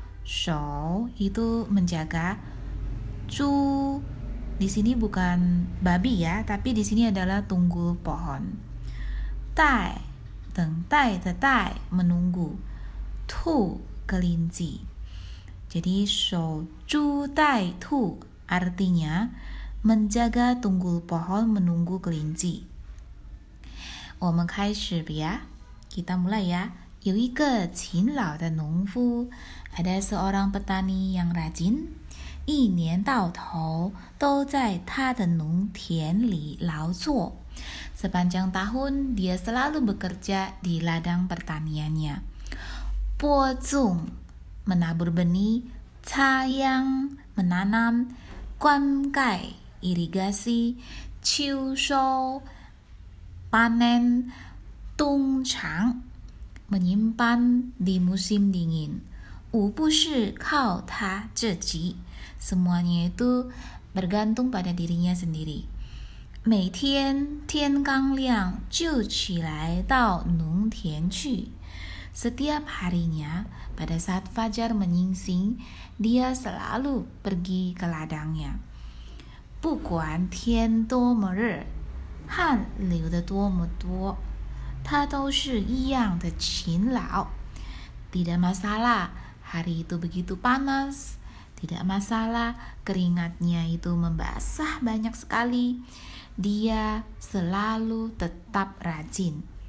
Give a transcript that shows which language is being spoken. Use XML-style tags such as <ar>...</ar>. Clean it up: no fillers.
<id>守 itu menjaga, 株 di sini bukan babi ya, tapi di sini adalah tunggu pohon.</id> <zh>待 等待的待 menunggu.</zh> <id>兔 kelinci. Jadi 守株待兔 artinya menjaga tunggul pohon menunggu kelinci.</id> <zh>我们开始吧呀。</zh> <id>Kita mulai ya.</id> <zh>有一个勤劳的农夫，</zh> <id>ada seorang petani yang rajin，</id> <zh>一年到头都在他的农田里劳作。</zh> <id>Sepanjang tahun dia selalu bekerja di ladang pertaniannya. 播种 menabur benih， 插秧 menanam， 灌溉 irigasi， 秋收 panen。冬藏 menyimpan di musim dingin，</id> <zh>无不是靠他自己，</zh> <id>semuanya itu bergantung pada dirinya sendiri。</id> <zh>每天天刚亮就起来到农田去，</zh> <id>setiap harinya pada saat fajar menyingsing dia selalu pergi ke ladangnya。</id> <zh>不管天多么热，汗流得多么多，他都是一样的勤劳。</zh> <id>Tidak masalah hari itu begitu panas， tidak masalah keringatnya itu membasah banyak sekali， dia selalu tetap rajin。</id>